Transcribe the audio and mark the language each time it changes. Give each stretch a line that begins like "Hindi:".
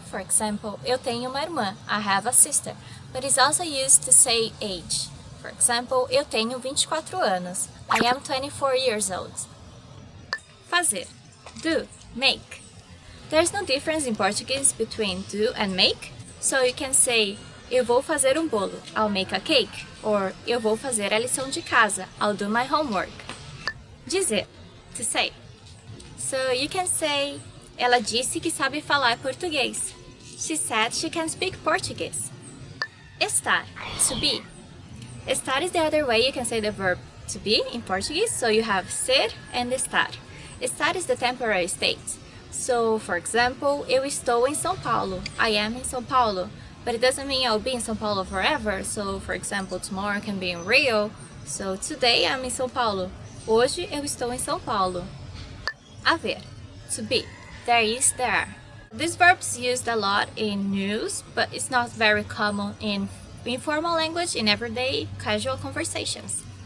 English: For example,
Portuguese: eu tenho uma irmã.
English: I have a sister. But it's also used to say age. For example,
Portuguese: eu tenho 24 anos.
English: I am 24 years old. Fazer. Do. Make. There's no difference in Portuguese between do and make. So you can say,
Portuguese: eu vou fazer bolo.
English: I'll make a cake.
Portuguese: Or, eu vou fazer a lição de casa.
English: I'll do my homework. Dizer. To say. So you can say,
Portuguese: ela disse que sabe falar português.
English: She said she can speak Portuguese. Estar. To be. Estar is the other way you can say the verb to be in Portuguese, so you have ser and estar. Estar is the temporary state. So, for example,
Portuguese: eu estou em São Paulo.
English: I am in São Paulo. But it doesn't mean I'll be in São Paulo forever. So, for example, tomorrow can be in Rio. So, today I'm in São Paulo.
Portuguese: Hoje eu estou em São Paulo. Haver.
English: To be. There is, there. This verb is used a lot in news, but it's not very common in informal language in everyday casual conversations.